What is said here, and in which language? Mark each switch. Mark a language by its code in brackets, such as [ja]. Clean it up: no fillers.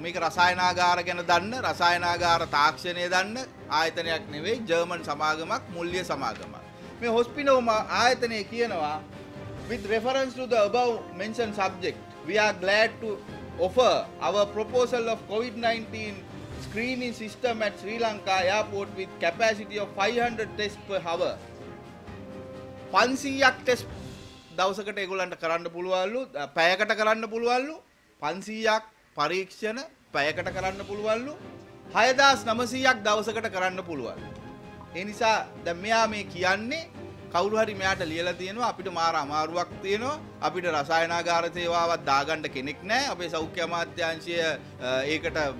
[si] මේක රසායනාගාර ගැන දන්න රසායනාගාර තාක්ෂණය දන්න ආයතනයක් නෙවෙයි ජර්මන් සමාගමක් මුල්්‍ය සමාගමක්. මේ හොස්පිනෝම ආයතනය කියනවා [en] With reference to the above mentioned subject, we are glad to offer our proposal of COVID-19 screening system at Sri Lanka Airport with capacity of 500 tests per hour. [si] 500 tests දවසකට ඒගොල්ලන්ට කරන්න පුළුවන්ලු පැයකට කරන්න පුළුවන්ලු 500ක් පරීක්ෂණ පැයකට කරන්න පුළුවන්ලු 6900ක් දවසකට කරන්න පුළුවන් ඒ නිසා දැන් මෙයා මේ කියන්නේ කවුරු හරි මෙයාට ලියලා තියෙනවා අපිට මාර අමාරුවක් තියෙනවා අපිට රසායනාගාර සේවාවක් දාගන්න කෙනෙක් නැහැ අපේ සෞඛ්‍ය අමාත්‍යාංශය ඒකට